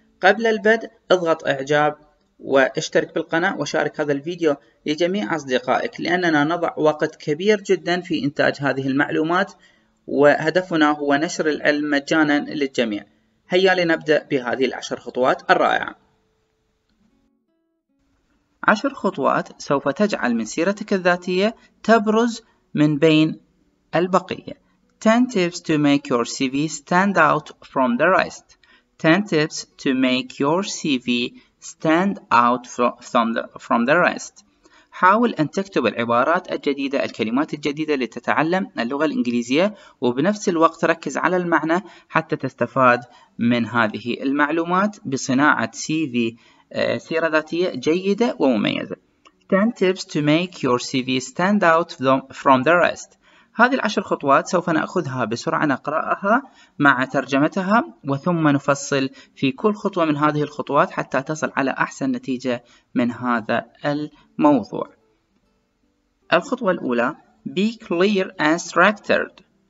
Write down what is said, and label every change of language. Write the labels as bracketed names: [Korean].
[Arabic] قبل البدء اضغط إعجاب واشترك بالقناة وشارك هذا الفيديو لجميع أصدقائك، لأننا نضع وقت كبير جدا في إنتاج هذه المعلومات، وهدفنا هو نشر العلم مجانا للجميع. هيا لنبدأ بهذه 10 خطوات الرائعة. 10 خطوات سوف تجعل من سيرتك الذاتية تبرز من بين البقية. [English] 10 tips to make your CV stand out from the rest. 10 tips to make your CV stand out from the rest. [Arabic] حاول أن تكتب العبارات الجديدة، الكلمات الجديدة لتتعلم اللغة الإنجليزية، وبنفس الوقت ركز على المعنى حتى تستفاد من هذه المعلومات بصناعة CV سيرة ذاتية جيدة ومميزة. [English] 10 tips to make your CV stand out from the rest. [Arabic] هذه 10 خطوات سوف نأخذها بسرعة، نقرأها مع ترجمتها، وثم نفصل في كل خطوة من هذه الخطوات حتى تصل على أحسن نتيجة من هذا الموضوع. الخطوة الأولى: [English] Be clear and structured.